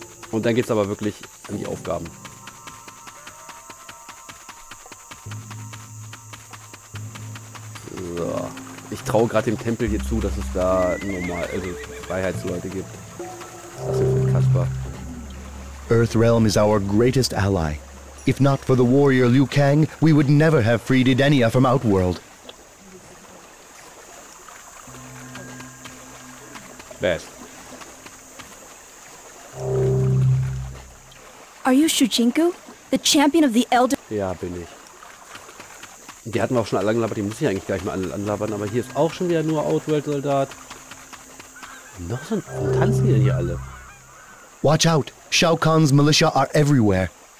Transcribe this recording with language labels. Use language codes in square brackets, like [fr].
[de] Und dann geht es aber wirklich an die Aufgaben. So, ich traue gerade dem Tempel hier zu, dass es da nochmal Freiheitsleute gibt. Das ist für Kaspar. [en] Earthrealm is our greatest ally. If not for the warrior Liu Kang, we would never have freed Idenia from Outworld. Best. Are you Shujinku, the champion of the Elder? [de] Ja, bin ich. Die hatten wir auch schon alle angelabert, die muss ich eigentlich gleich mal anlabern, aber hier ist auch schon wieder nur Outworld-Soldat. Noch so ein Tanzen hier alle. [en] Watch out! Shao Kahn's militia are everywhere.